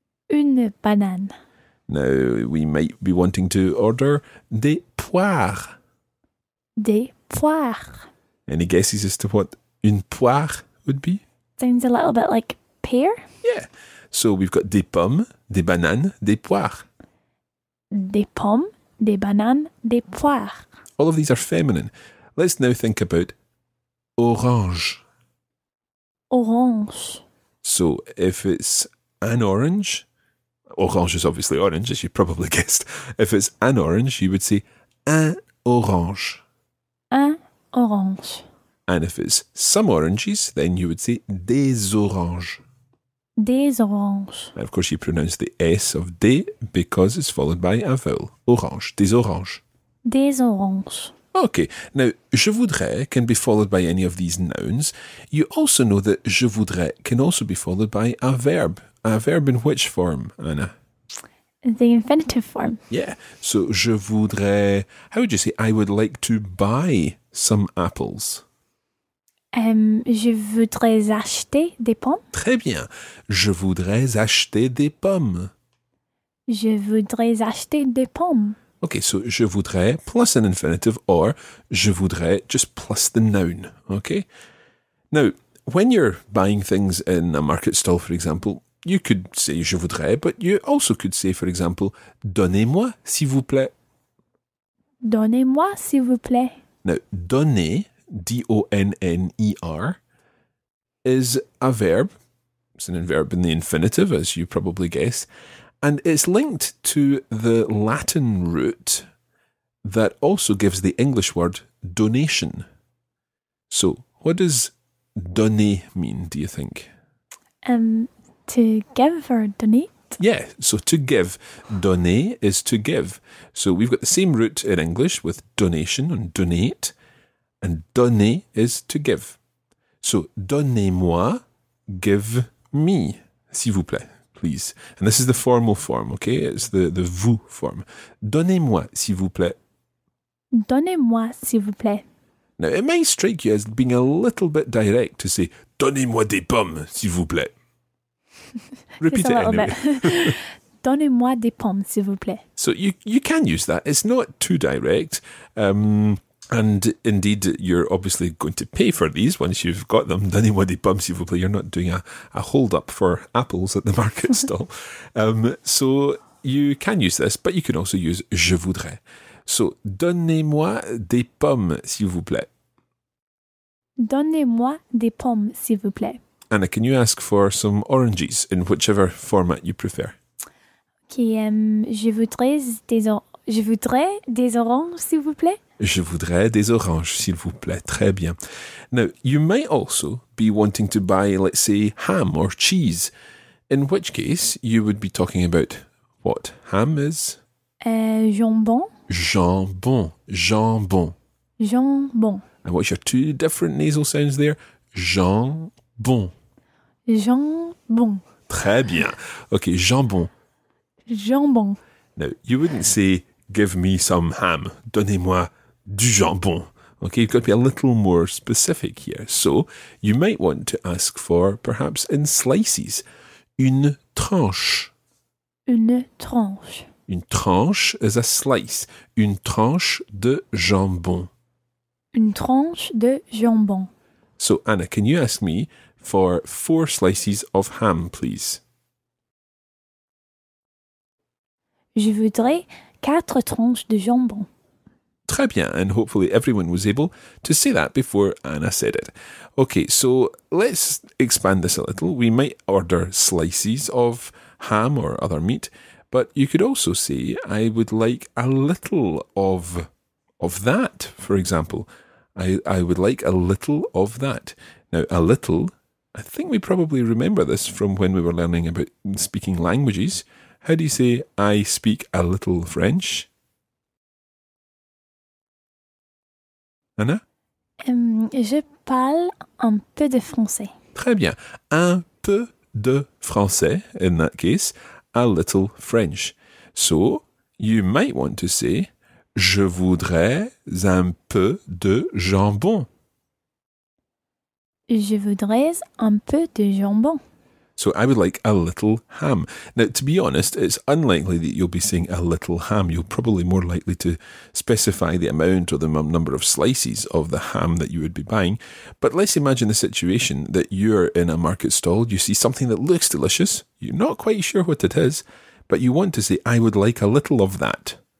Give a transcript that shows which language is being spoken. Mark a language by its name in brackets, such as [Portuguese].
[French] Une banane. [English] Now, we might be wanting to order [French] des poires. Des poires. [English] Any guesses as to what [French] une poire [English] would be? Sounds a little bit like pear. Yeah. So we've got [French] des pommes, des bananes, des poires. Des pommes, des bananes, des poires. [English] All of these are feminine. Let's now think about orange. [French] Orange. [English] So, if it's an orange, orange is obviously orange, as you probably guessed. If it's an orange, you would say [French] un orange. Un orange. [English] And if it's some oranges, then you would say [French] des oranges. Des oranges. [English] And of course, you pronounce the S of des because it's followed by a vowel. [French] Orange. Des oranges. Des oranges. [English] Okay, now, [French] je voudrais [English] can be followed by any of these nouns. You also know that [French] je voudrais [English] can also be followed by a verb. A verb in which form, Anna? The infinitive form. Yeah, so [French] je voudrais, [English] how would you say, I would like to buy some apples? [French] Je voudrais acheter des pommes. Très bien, je voudrais acheter des pommes. Je voudrais acheter des pommes. [English] Okay, so [French] je voudrais [English] plus an infinitive or [French] je voudrais [English] just plus the noun, okay? Now, when you're buying things in a market stall, for example, you could say [French] je voudrais, [English] but you also could say, for example, [French] donnez-moi, s'il vous plaît. Donnez-moi, s'il vous plaît. [English] Now, donner, D-O-N-N-E-R, is a verb. It's an verb in the infinitive, as you probably guess. And it's linked to the Latin root that also gives the English word donation. So, what does donner mean, do you think? To give or donate? Yeah, so to give. Donner is to give. So, we've got the same root in English with donation and donate. And donner is to give. [French] So, donnez-moi, [English] give me, [French] s'il vous plaît. [English] Please. And this is the formal form, okay? It's the vous form. [French] Donnez-moi, s'il vous plaît. Donnez-moi, s'il vous plaît. [English] Now, it may strike you as being a little bit direct to say, [French] donnez-moi des pommes, s'il vous plaît. [English] Repeat it anyway. [French] Donnez-moi des pommes, s'il vous plaît. [English] So you can use that. It's not too direct. And indeed, you're obviously going to pay for these once you've got them. [French] Donnez-moi des pommes, s'il vous plaît. [English] You're not doing a hold-up for apples at the market stall. So you can use this, but you can also use [French] je voudrais. So donnez-moi des pommes, s'il vous plaît. Donnez-moi des pommes, s'il vous plaît. [English] Anna, can you ask for some oranges in whichever format you prefer? [French] Okay, je voudrais des oranges, s'il vous plaît. Je voudrais des oranges, s'il vous plaît. Très bien. [English] Now, you may also be wanting to buy, let's say, ham or cheese, in which case you would be talking about what ham is? [French] Jambon. Jambon. Jambon. Jambon. [English] And what's your two different nasal sounds there? [French] Jambon. Jambon. Très bien. Okay, jambon. Jambon. [English] Now, you wouldn't say, give me some ham. [French] Donnez-moi du jambon. [English] Okay, you've got to be a little more specific here. So, you might want to ask for, perhaps in slices, [French] une tranche. Une tranche. Une tranche [English] is a slice. [French] Une tranche de jambon. Une tranche de jambon. [English] So, Anna, can you ask me for 4 slices of ham, please? [French] Je voudrais 4 tranches de jambon. Très bien, [English] and hopefully everyone was able to say that before Anna said it. Okay, so let's expand this a little. We might order slices of ham or other meat, but you could also say, I would like a little of that, for example. I would like a little of that. Now, a little, I think we probably remember this from when we were learning about speaking languages. How do you say, I speak a little French? Anna? [French] Je parle un peu de français. Très bien. Un peu de français, [English] in that case, a little French. So, you might want to say, [French] je voudrais un peu de jambon. Je voudrais un peu de jambon. [English] So, I would like a little ham. Now, to be honest, it's unlikely that you'll be saying a little ham. You're probably more likely to specify the amount or the number of slices of the ham that you would be buying. But let's imagine the situation that you're in a market stall. You see something that looks delicious. You're not quite sure what it is, but you want to say, I would like a little of that.